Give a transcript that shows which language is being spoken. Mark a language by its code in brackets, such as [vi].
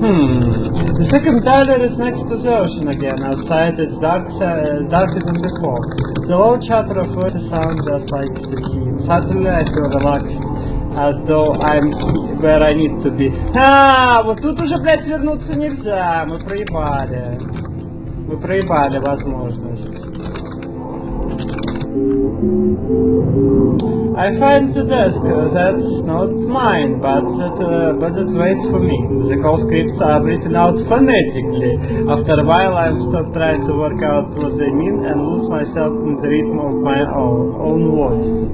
[en] The second tiler is next to the ocean again. Outside, it's darker than before. The low chatter of water sounds just like the sea. Suddenly, I feel relaxed, as though I'm where I need to be. [ru] Вот тут уже, блядь, вернуться нельзя. Мы проебали. Мы проебали возможность. [en] I find the desk. That's not mine, but it waits for me. The call scripts are written out phonetically. After a while, I'm stopped trying to work out what they mean and lose myself in the rhythm of my own voice.